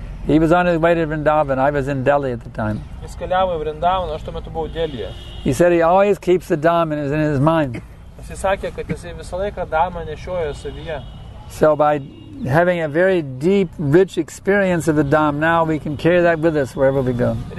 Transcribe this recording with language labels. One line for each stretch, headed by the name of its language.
English: He was on his way to Vrindavan. I was in Delhi at the time.
Lithuanian: Jis keliavo į Vrindavan, aš tuo metu buvau Delyje.
English: He said he always keeps the dhamma in his mind.
Lithuanian: Jis sakė, kad jis visą laiką dhamma nešioja savyje.
English: So by having a very deep, rich experience of the Dham, now we can carry that with us wherever we go.